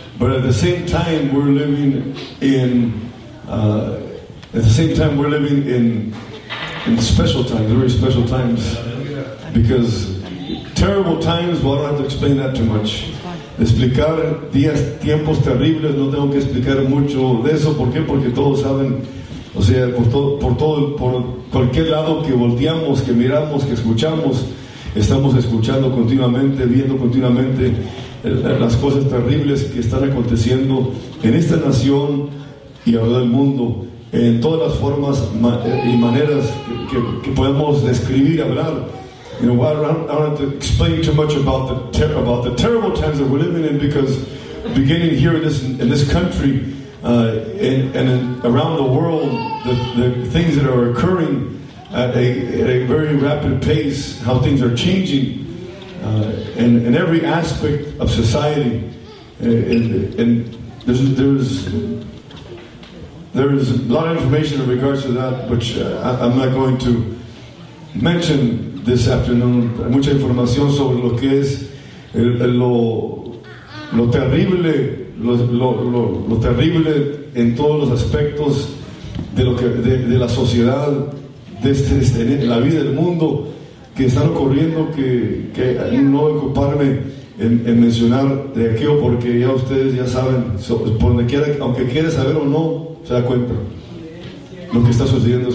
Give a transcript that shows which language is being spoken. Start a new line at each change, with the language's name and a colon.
English: But at the same time, we're living in special times, very special times. Because terrible times, well, I don't have to explain that too much.
Spanish: Explicar días, tiempos terribles, no tengo que explicar mucho de eso. ¿Por qué? Porque todos saben, o sea, por cualquier lado que volteamos, que miramos, que escuchamos, estamos escuchando continuamente, viendo continuamente las cosas terribles que están aconteciendo en esta nación y alrededor del mundo, en todas las formas y maneras que podemos describir y hablar.
English: You know, I don't have to explain too much about the terrible times that we're living in, because beginning here in this country and around the world, the things that are occurring at a very rapid pace, how things are changing in every aspect of society, and there's a lot of information in regards to that, which I'm not going to mention this afternoon.
Spanish: Mucha información sobre lo que es lo terrible, lo terrible en todos los aspectos de lo que de la sociedad, de este en la vida del mundo, que están ocurriendo, que no ocuparme en mencionar de aquello, porque ya ustedes ya saben, por donde quiera, aunque quiera saber o no, se da cuenta. lo que está sucediendo.